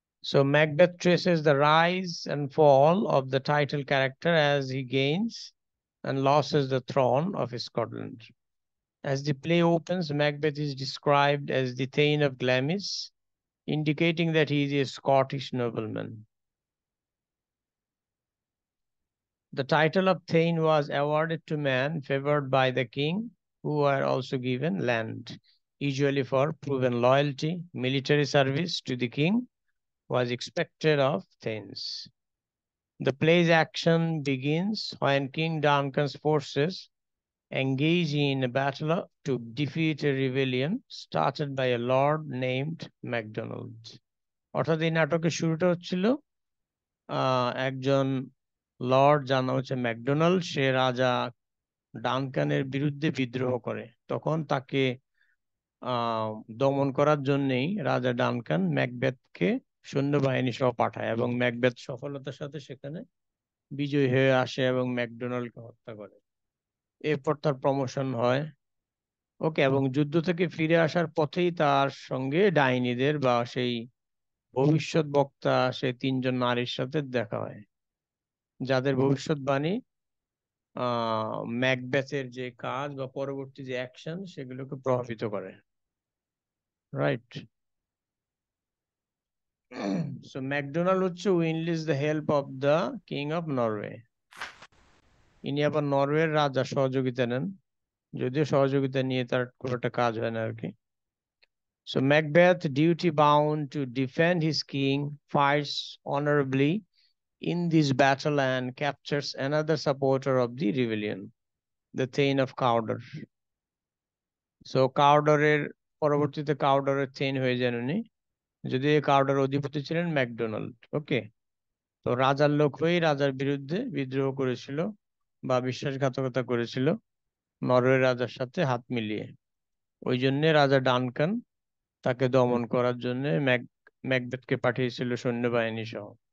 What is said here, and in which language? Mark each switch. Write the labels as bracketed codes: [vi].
[en] So Macbeth traces the rise and fall of the title character as he gains and loses the throne of Scotland. As the play opens, Macbeth is described as the thane of Glamis, indicating that he is a Scottish nobleman. The title of Thane was awarded to men favored by the king, who were also given land, usually for proven loyalty. Military service to the king was expected of Thanes. The play's action begins when King Duncan's forces engage in a battle to defeat a rebellion started by a lord named MacDonald. [bn] অর্থাৎ এই নাটকের শুরুটা হচ্ছিল একজন Lord, যার নাম হচ্ছে McDonald, সে রাজা ডানকানের বিরুদ্ধে বিদ্রোহ করে। তখন তাকে দমন করার জন্যেই রাজা ডানকান ম্যাকবেথকে সৈন্যবাহিনী সহ পাঠায় এবং ম্যাকবেথ সফলতার সাথে সেখানে বিজয়ী হয়ে আসে এবং ম্যাকডোনাল্ডকে হত্যা করে। এরপর তার প্রমোশন হয়, ওকে, এবং যুদ্ধ থেকে ফিরে আসার পথেই তার সঙ্গে ডাইনিদের বা সেই ভবিষ্যৎ বক্তা সে তিনজন নারীর সাথে দেখা হয়, যাদের ভবিষ্যৎবাণী ম্যাকবেথের যে কাজ বা পরবর্তী যে অ্যাকশন সেগুলোকে প্রভাবিত করে। রাইট, সো ম্যাকডোনাল্ড হচ্ছে [en] who enlists the help of the king of Norway, [bn] ইনি আবার নরওয়ের রাজা, সহযোগিতা নেন, যদিও সহযোগিতা নিয়ে তার কোনো একটা কাজ হয় না আর কি। [en] So Macbeth duty bound to defend his king fights honourably in this battle and captures another supporter of the rebellion, the Thane of Cawdor. [bn] So Cawdor এর পরবর্তীতে Cawdor এর Thane হয়ে যান উনি, যদি Cawdor এর অধিপতি ছিলেন ম্যাকডোনাল্ড। ওকে, তো রাজার লোক হয়েই রাজার বিরুদ্ধে বিদ্রোহ করেছিল বা বিশ্বাসঘাতকতা করেছিল নরওয়ের রাজার সাথে হাত মিলিয়ে, ওই জন্যে রাজা ডানকান তাকে দমন করার জন্য ম্যাকবেথকে পাঠিয়েছিল সৈন্যবাহিনী সহ।